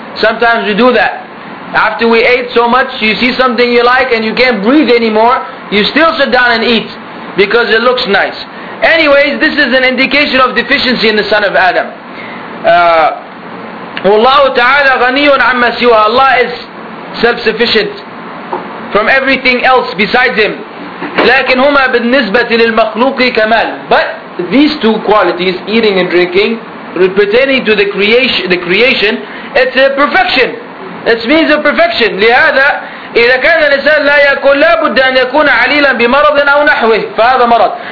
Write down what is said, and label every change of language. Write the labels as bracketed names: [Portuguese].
[English] Sometimes we do that. After we ate so much, you see something you like and you can't breathe anymore, you still sit down and eat because it looks nice. Anyways, this is an indication of deficiency in the son of Adam. [Arabic] Wallahu ta'ala ghaniyun amma siwa. [English] Allah is self-sufficient from everything else besides him. [Arabic] لكن هما بالنسبة للمخلوق كمال. [English] But these two qualities, eating and drinking, pertaining to the creation, it's a perfection. It means a perfection. [Arabic] لهذا إذا كان الإنسان لا يأكل لابد أن يكون عليلا بمرض أو نحوه فهذا مرض.